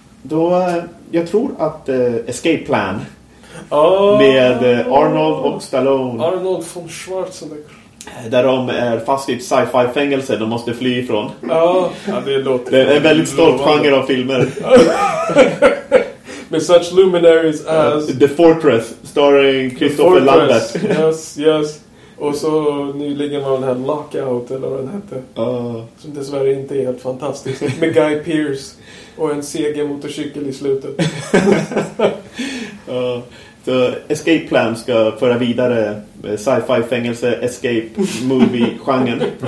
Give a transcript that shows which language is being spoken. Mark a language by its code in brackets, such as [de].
[sv] Då, jag tror att Escape Plan. Oh. Med Arnold och Stallone. Arnold von Schwarzenegger. Där de är fast i ett sci-fi fängelse de måste fly ifrån. Oh. Ja, det är en väldigt stolt genre av filmer. [en] With such luminaries as The Fortress, starring Christopher Lambert. [sv] Yes. Och så nyligen var den här Lockout, eller vad den hette. Som dessvärre inte är helt fantastisk. Med Guy Pearce och en CG motorcykel i slutet. Så Escape Plan ska föra vidare sci-fi fängelse escape movie-genren.